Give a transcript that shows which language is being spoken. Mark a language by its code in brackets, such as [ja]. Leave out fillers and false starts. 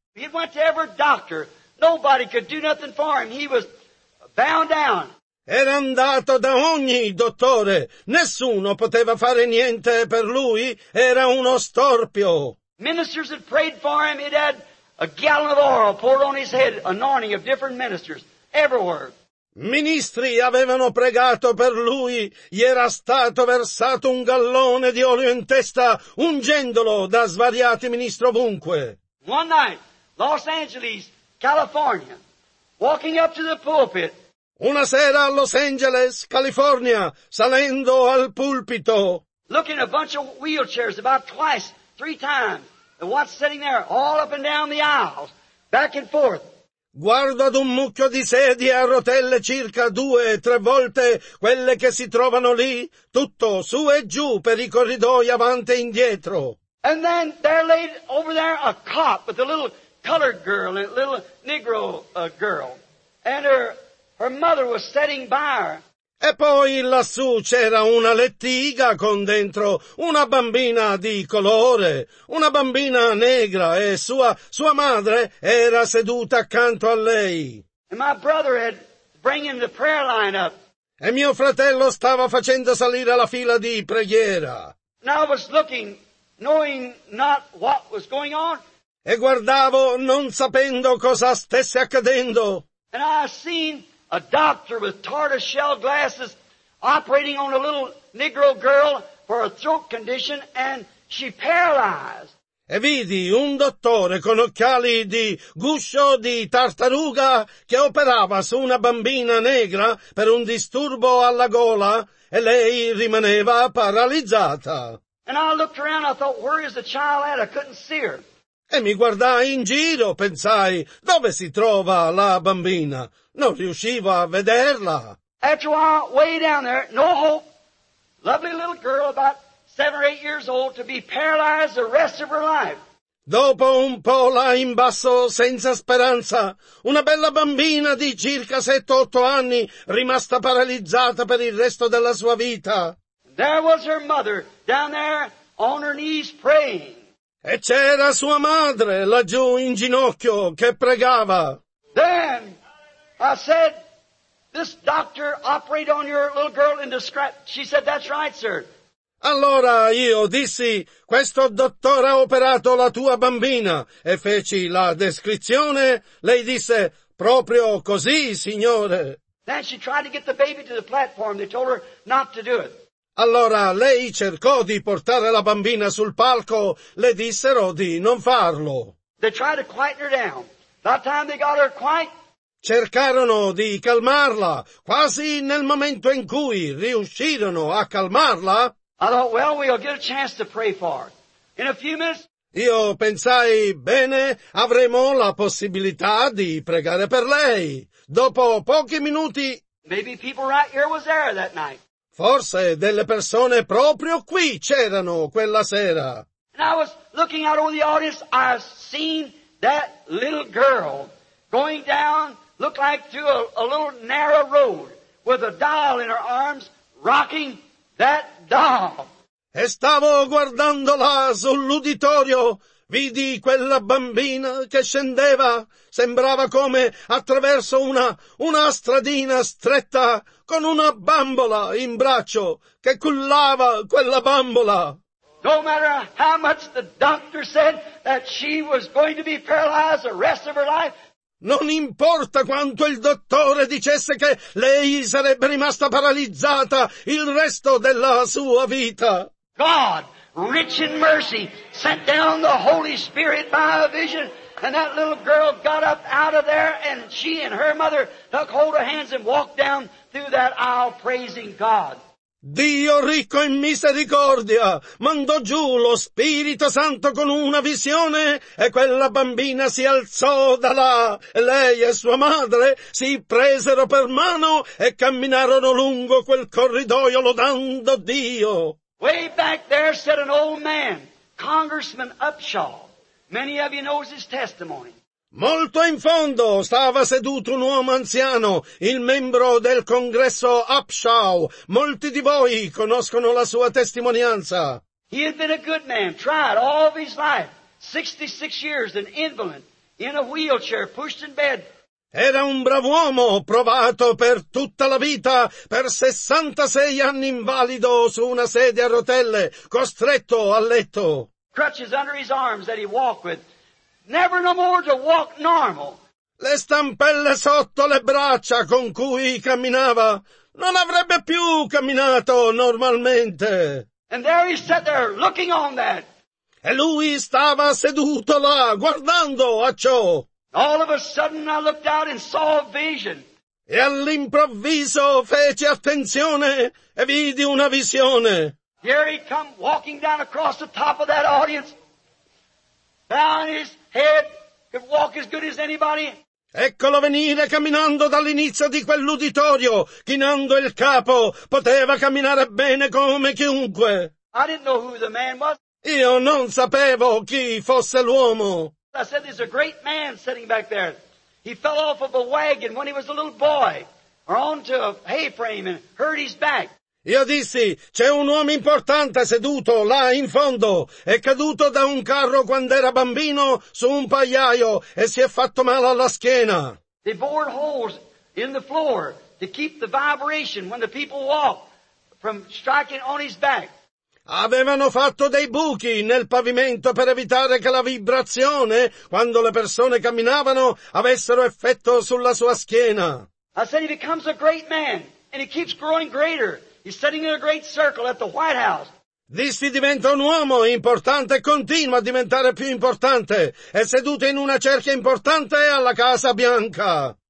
[en] He went to every doctor. Nobody could do nothing for him. He was bound down. [it] Era andato da ogni dottore. Nessuno poteva fare niente per lui. Era uno storpio. [en] Ministers had prayed for him. He'd had a gallon of oil poured on his head, anointing of different ministers everywhere. [it] Ministri avevano pregato per lui, gli era stato versato un gallone di olio in testa, ungendolo da svariati ministri ovunque. [en] One night, Los Angeles, California, walking up to the pulpit. [it] Una sera a Los Angeles, California, salendo al pulpito. [en] Looking at a bunch of wheelchairs about twice, three times, and what's sitting there all up and down the aisles, back and forth. [it] Guardo ad un mucchio di sedie a rotelle circa due, tre volte quelle che si trovano lì, tutto su e giù per i corridoi avanti e indietro. [en] And then there laid over there a cop with a little colored girl, a little negro girl, and her mother was sitting by her. [it] E poi lassù c'era una lettiga con dentro una bambina di colore, una bambina negra, e sua madre era seduta accanto a lei. [en] And my brother had bringing the prayer line up. [it] E mio fratello stava facendo salire la fila di preghiera. [en] And I was looking, knowing not what was going on. [it] E guardavo non sapendo cosa stesse accadendo. [en] And I seen a doctor with tortoise shell glasses operating on a little negro girl for a throat condition and she paralyzed. [it] E vidi un dottore con occhiali di guscio di tartaruga che operava su una bambina negra per un disturbo alla gola e lei rimaneva paralizzata. [en] And I looked around, I thought, where is the child at? I couldn't see her. [it] E mi guardai in giro, pensai, dove si trova la bambina? Non riuscivo a vederla. [en] After a while, way down there, no hope, lovely little girl about 7 or 8 years old to be paralyzed the rest of her life. [it] Dopo un po' là in basso, senza speranza, una bella bambina di circa 7 o 8 anni, rimasta paralizzata per il resto della sua vita. [en] There was her mother, down there, on her knees praying. [it] E c'era sua madre laggiù in ginocchio che pregava. [en] Then I said, this doctor operated on your little girl in the scratch. She said, that's right, sir. [it] Allora io dissi, questo dottore ha operato la tua bambina, e feci la descrizione. Lei disse, proprio così, signore. [en] Then she tried to get the baby to the platform. They told her not to do it. [it] Allora lei cercò di portare la bambina sul palco, le dissero di non farlo. [en] They tried to quiet her down. That time they got her quiet. [it] Cercarono di calmarla, quasi nel momento in cui riuscirono a calmarla. [en] I thought, well, we'll get a chance to pray for her. In a few minutes. [it] Io pensai, bene, avremo la possibilità di pregare per lei. Dopo pochi minuti. [en] Maybe people right here was there that night. [it] Forse delle persone proprio qui c'erano quella sera. [en] And I was looking out over the audience, I seen that little girl going down, looked like through a little narrow road, with a doll in her arms, rocking that doll. [it] E stavo guardandola sull'uditorio, vidi quella bambina che scendeva, sembrava come attraverso una stradina stretta, con una bambola in braccio che cullava quella bambola. [en] No matter how much the doctor said that she was going to be paralyzed the rest of her life. [it] Non importa quanto il dottore dicesse che lei sarebbe rimasta paralizzata il resto della sua vita. [en] God, rich in mercy, sent down the Holy Spirit by a vision, and that little girl got up out of there, and she and her mother took hold of hands and walked down through that aisle praising God. [it] Dio ricco in misericordia mandò giù lo Spirito Santo con una visione e quella bambina si alzò da là. Lei e sua madre si presero per mano e camminarono lungo quel corridoio lodando Dio. [en] Way back there sat an old man, Congressman Upshaw. Many of you know his testimony. [it] Molto in fondo stava seduto un uomo anziano, il membro del congresso Upshaw. Molti di voi conoscono la sua testimonianza. [en] He had been a good man, tried all of his life, 66 years, an invalid, in a wheelchair, pushed in bed. [it] Era un brav'uomo, provato per tutta la vita, per 66 anni invalido su una sedia a rotelle, costretto a letto. [en] Crutches under his arms that he walked with. Never no more to walk normal. [it] Le stampelle sotto le braccia con cui camminava. Non avrebbe più camminato normalmente. [en] And there he sat there looking on that. [it] E lui stava seduto là, guardando a ciò. [en] All of a sudden I looked out and saw a vision. [it] E all'improvviso feci attenzione e vidi una visione. [en] Here he come walking down across the top of that audience. Down his head, could walk as good as anybody. [it] Eccolo venire camminando dall'inizio di quell'uditorio, chinando il capo, poteva camminare bene come chiunque. [en] I didn't know who the man was. [it] Io non sapevo chi fosse l'uomo. [en] I said, there's a great man sitting back there. He fell off of a wagon when he was a little boy, or onto a hay frame and hurt his back. [it] Io dissi, c'è un uomo importante seduto là in fondo, è caduto da un carro quando era bambino su un pagliaio e si è fatto male alla schiena. [en] They bored holes in the floor to keep the vibration when the people walk from striking on his back. [it] Avevano fatto dei buchi nel pavimento per evitare che la vibrazione, quando le persone camminavano, avessero effetto sulla sua schiena. [en] I said he becomes a great man and he keeps growing greater. He's sitting in a great circle at the White House. [it] Dissi, diventa un uomo importante e continua a diventare più importante. È seduto in una cerchia importante alla Casa Bianca.